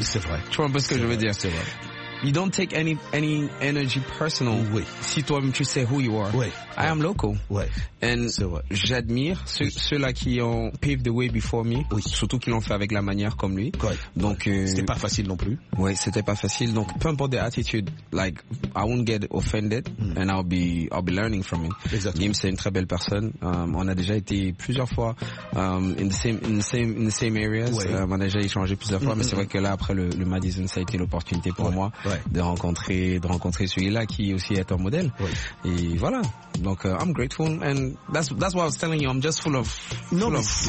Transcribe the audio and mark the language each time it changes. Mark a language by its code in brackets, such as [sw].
[fr] C'est vrai. Tu vois un peu ce que je veux dire? C'est vrai. [en] You don't take any energy personal. [fr] Oui. Si toi-même tu sais [en] who you are. [fr] Oui. [en] I am Loco. [fr] Oui. [en] And [fr] j'admire ceux-là qui ont [en] paved the way before me. [fr] Oui. Surtout qu'ils l'ont fait avec la manière comme lui. Oui. Donc, c'était pas facile non plus. Oui, c'était pas facile. Donc, peu importe [en] the attitude, like, I won't get offended and I'll be learning from it. [fr] Exactement. Gims, c'est une très belle personne. On a déjà été plusieurs fois, [en] in the same areas. [fr] Oui. On a déjà échangé plusieurs fois, mais c'est vrai que là, après le Madison, ça a été l'opportunité pour moi. Ouais. De rencontrer celui-là qui aussi est un modèle. Ouais. Et voilà. Donc, [en] I'm grateful and that's what I was telling you. I'm just full of grace.